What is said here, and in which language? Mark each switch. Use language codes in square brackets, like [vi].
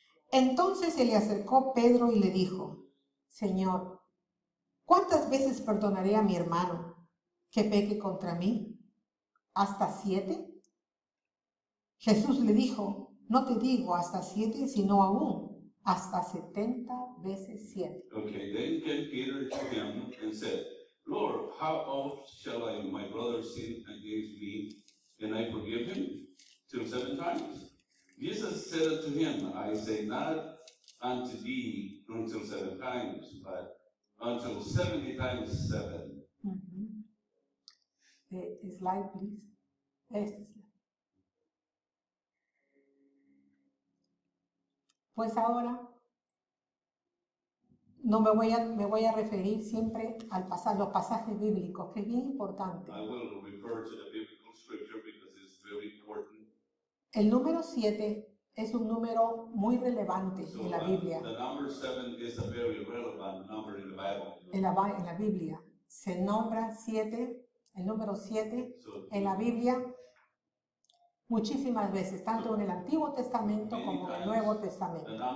[es] Entonces se le acercó Pedro y le dijo, Señor, ¿cuántas veces perdonaré a mi hermano que peque contra mí? ¿Hasta siete? Jesús le dijo, no te digo hasta siete, sino aún hasta 70 veces 7. [en] Okay, then came Peter to him and said, Lord, how often shall I my brother sin against me and I forgive him? Till 7 times? Jesus said to him, I say not unto thee until 7 times, but until 70 times 7. The slide, please. [es] Pues ahora no me voy a referir siempre al pasar los pasajes bíblicos, que es bien importante. [en] I will refer to the biblical scripture because it's very important. [es] El número 7 es un número muy relevante en la Biblia. [en] The number 7 is a very relevant number in the Bible. [es] En la Biblia se nombra 7, el número 7 en la Biblia muchísimas veces, tanto en el Antiguo Testamento como en el Nuevo Testamento.